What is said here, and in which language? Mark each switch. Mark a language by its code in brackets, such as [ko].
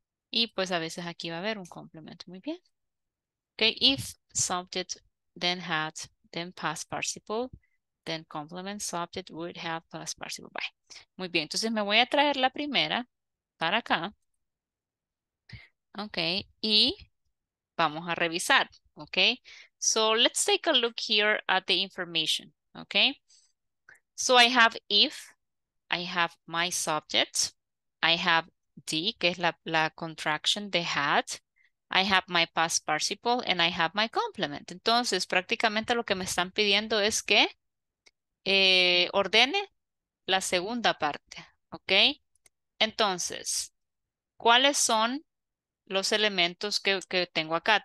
[es] Y pues a veces aquí va a haber un complement. Muy bien. [en] Okay, if subject then had, then past participle, then complement subject would have past participle. Bye. [es] Muy bien, entonces me voy a traer la primera para acá. Ok, y vamos a revisar. [en] Ok, so let's take a look here at the information. Ok, so I have if, I have my subject, I have D, [es] que es la [en] contraction de had. I have my past participle and I have my complement. [es] Entonces, prácticamente lo que me están pidiendo es que ordene la segunda parte, ¿ok? Entonces, ¿cuáles son los elementos que tengo acá?